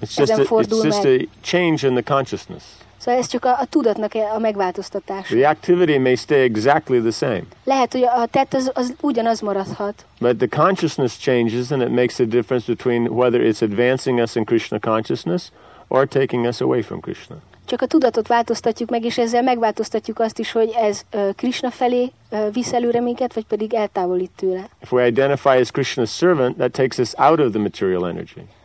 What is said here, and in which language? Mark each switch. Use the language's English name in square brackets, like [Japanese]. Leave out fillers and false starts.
[Hungarian] Ezen fordul meg. [English] It's just a change in the consciousness. [Hungarian] Szóval ez csak a tudatnak a megváltoztatás. [English] The activity may stay exactly the same. [Hungarian] Lehet, hogy a tett az ugyanaz maradhat. [English] But the consciousness changes and it makes a difference between whether it's advancing us in Krishna consciousness or taking us away from Krishna. [Hungarian] Csak a tudatot változtatjuk meg, és ezzel megváltoztatjuk azt is, hogy ez Krishna felé visz előre minket, vagy pedig eltávolít tőle. [English] If we identify as Krishna's servant, that takes us out of the material energy.